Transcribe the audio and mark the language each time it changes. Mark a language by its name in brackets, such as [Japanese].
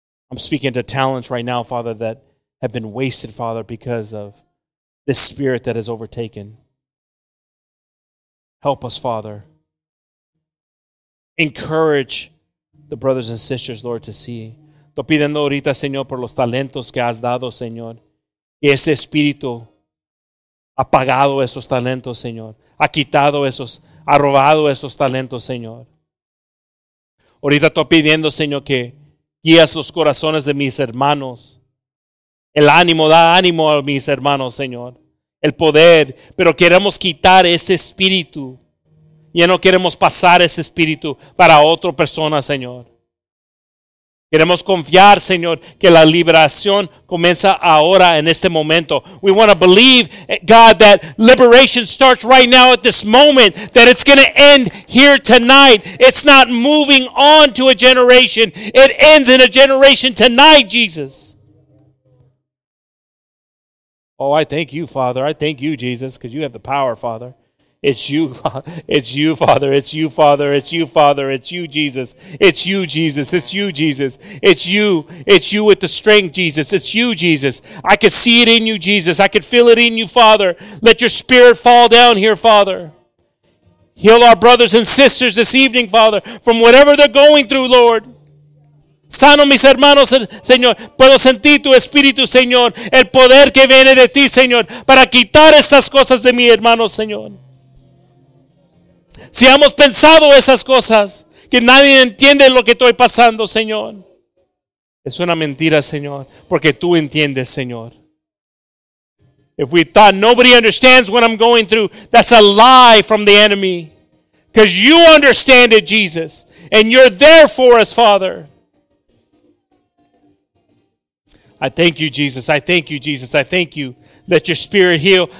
[English] I'm speaking to talents right now, Father, that have been wasted, Father, because of this spirit that has overtaken. Help us, Father. Encourage the brothers and sisters, Lord, to see. [Spanish] Estoy pidiendo ahorita, Señor, por los talentos que has dado, Señor. Que ese espíritu ha apagado esos talentos, Señor. Ha quitado esos, ha robado esos talentos, Señor. Ahorita estoy pidiendo, Señor, que guías los corazones de mis hermanos. El ánimo, da ánimo a mis hermanos, Señor. El poder, pero queremos quitar ese espíritu. Ya no queremos pasar ese espíritu para otra persona, Señor. Queremos confiar, Señor, que la liberación comienza ahora en este momento. [English] We want to believe, God, that liberation starts right now at this moment, that it's going to end here tonight. It's not moving on to a generation. It ends in a generation tonight, Jesus. Oh, I thank you, Father. I thank you, Jesus, because you have the power, Father. It's you, Father. It's you, Father. It's you, Father. It's you, Father. It's you, Jesus. It's you, Jesus. It's you, Jesus. It's you. It's you with the strength, Jesus. It's you, Jesus. I could see it in you, Jesus. I could feel it in you, Father. Let your spirit fall down here, Father. Heal our brothers and sisters this evening, Father, from whatever they're going through, Lord. [Spanish] Sano mis hermanos, Señor. Puedo sentir tu espíritu, Señor. El poder que viene de ti, Señor, para quitar estas cosas de mi hermano, Señor. Si hemos pensado esas cosas, que nadie entiende lo que estoy pasando, Señor. Es una mentira, Señor, porque tú entiendes, Señor. [English] If we thought nobody understands what I'm going through, that's a lie from the enemy. Because you understand it, Jesus. And you're there for us, Father. I thank you, Jesus. I thank you, Jesus. I thank you. Let your spirit heal.